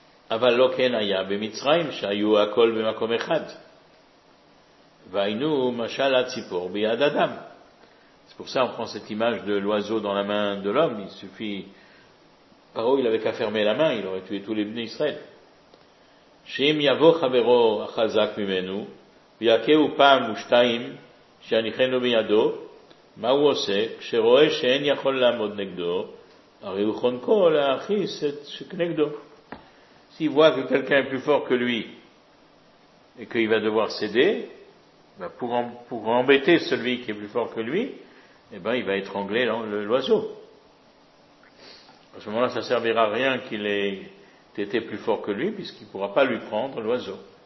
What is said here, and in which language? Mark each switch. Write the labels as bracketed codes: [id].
[he] אבל לא כן היה במצרים שהיו הכל במקום אחד. והיינו משל הציפור ביד אדם. [fr] C'est pour ça on prend cette image de l'oiseau dans la main de l'homme. Il suffit. Paro, il avait qu'à fermer la main, il aurait tué tous les Bnei Israël. [he] שאם יבוא חברו החזק ממנו, ויכהו פעם ושתיים, שיניחנו בידו, מה הוא עושה? כשרואה שאין יכול לעמוד נגדו, הרי הוא חונקו להכיס את שכנגדו. [fr] S'il voit que quelqu'un est plus fort que lui et qu'il va devoir céder, ben pour embêter celui qui est plus fort que lui, eh ben il va étrangler l'oiseau. À ce moment-là, ça ne servira à rien qu'il ait été plus fort que lui puisqu'il ne pourra pas lui prendre l'oiseau.